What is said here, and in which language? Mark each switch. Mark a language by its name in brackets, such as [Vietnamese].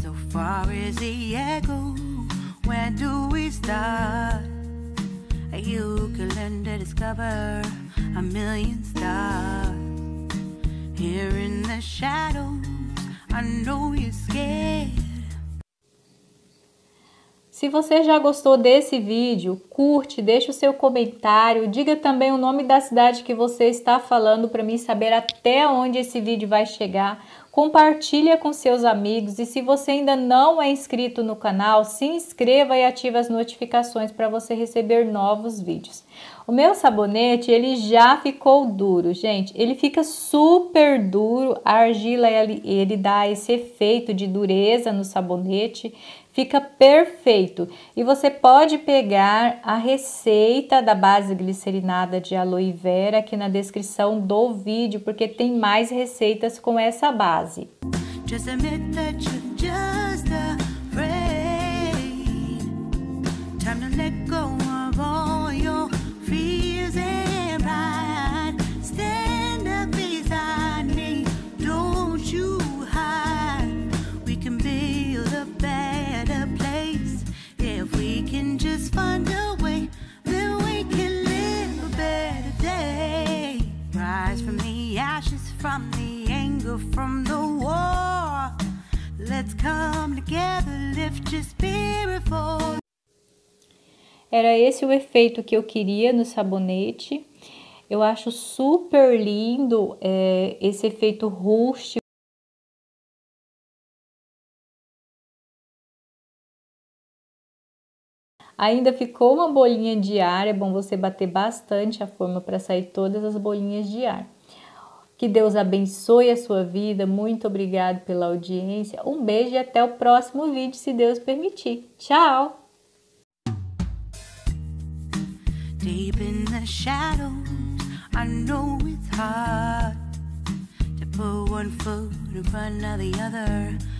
[English] Far as the echo, where do we start? You can learn to discover a million stars. Here in the shadows, I know you're scared. [Portuguese] Se você já gostou desse vídeo, curte, deixe o seu comentário, diga também o nome da cidade que você está falando para mim saber até onde esse vídeo vai chegar. Compartilha com seus amigos e se você ainda não é inscrito no canal, se inscreva e ative as notificações para você receber novos vídeos. O meu sabonete, ele já ficou duro, gente. Ele fica super duro, a argila, ele dá esse efeito de dureza no sabonete, fica perfeito. E você pode pegar a receita da base glicerinada de aloe vera aqui na descrição do vídeo, porque tem mais receitas com essa base. [English] Just admit that you're just afraid. Time to let go of all your fears and pride. Stand up beside me, don't you hide. We can build a better place. If we can just find a way, then we can live a better day. Rise from the ashes, from the anger, from the war. Let's come together, lift your spirit for. [Portuguese] Era esse o efeito que eu queria no sabonete. Eu acho super lindo esse efeito rústico. Ainda ficou uma bolinha de ar. É bom você bater bastante a forma para sair todas as bolinhas de ar. Que Deus abençoe a sua vida. Muito obrigado pela audiência. Um beijo e até o próximo vídeo, se Deus permitir. Tchau! [English] Deep in the shadows, I know it's hard to put one foot in front of the other.